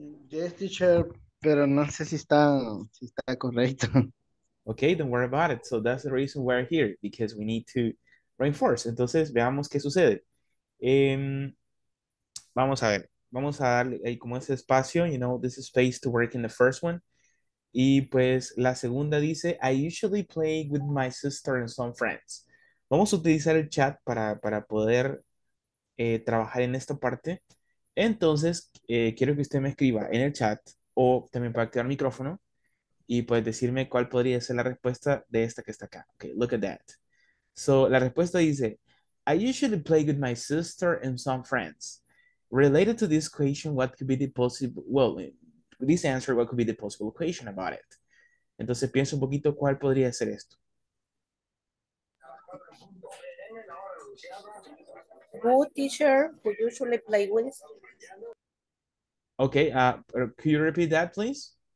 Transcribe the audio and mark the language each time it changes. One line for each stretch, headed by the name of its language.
Spanish: Yes, teacher, pero no sé si está correcto.
English: Okay, don't worry about it. So that's the reason we're here, because we need to reinforce.
Spanish: Entonces, veamos qué sucede. Vamos a ver. Vamos a darle ahí como ese espacio,
English: you know, this space to work in the first one.
Spanish: Y pues la segunda dice,
English: I usually play with my sister and some friends.
Spanish: Vamos a utilizar el chat para poder trabajar en esta parte. Entonces, quiero que usted me escriba en el chat o también para activar el micrófono y puedes decirme cuál podría ser la respuesta de esta que está acá.
English: Okay, look at that. So,
Spanish: la respuesta dice,
English: I usually play with my sister and some friends. Related to this question, what could be the possible, well, this answer, what could be the possible question about it?
Spanish: Entonces, pienso un poquito cuál podría ser esto.
English: Good teacher, who usually play with? Okay, could you repeat that, please?